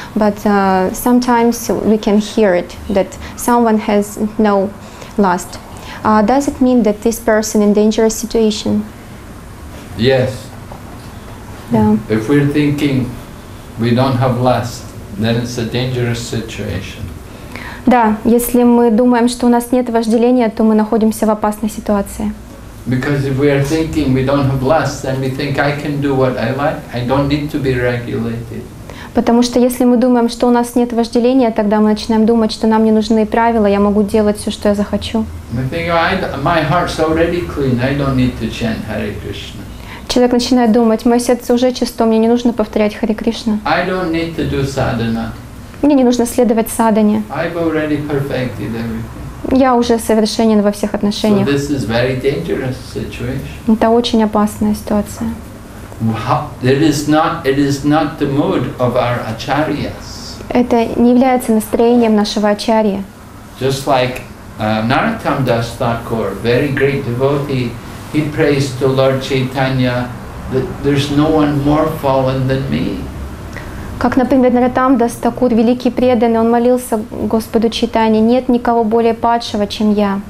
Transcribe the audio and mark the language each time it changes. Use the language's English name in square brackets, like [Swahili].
[English] But sometimes we can hear it that someone has no lust. Does it mean that this person in dangerous situation? Yes. Yeah. If we're thinking we don't have lust, then it's a dangerous situation. [Russian] Да, если мы думаем, что у нас нет вожделения, то мы находимся в опасной ситуации. [English] Because if we are thinking we don't have lust, then we think I can do what I like. I don't need to be regulated. [Russian] Потому что если мы думаем, что у нас нет вожделения, тогда мы начинаем думать, что нам не нужны правила, я могу делать все, что я захочу. [English] My heart's already clean. I don't need to chant Hare Krishna. [Russian] Человек начинает думать, мое сердце уже чисто, мне не нужно повторять Харе Кришна. [English] I don't need to do sadhana. [Russian] Мне не нужно следовать садхане. [English] I've already perfected everything. [Russian] Я уже совершенен во всех отношениях. [English] So this is very dangerous situation. [Russian] Это очень опасная ситуация. [English] It is not the mood of our acharyas. [Russian] Это не является настроением нашего ачарьи. [English] Just like Narottam Das Thakur, very great devotee, he prays to Lord Chaitanya that there's no one more fallen than me. [Russian] Как, например, Нарадам Дас Такур, великий преданный, он молился Господу Чайтанье, нет никого более падшего, чем я.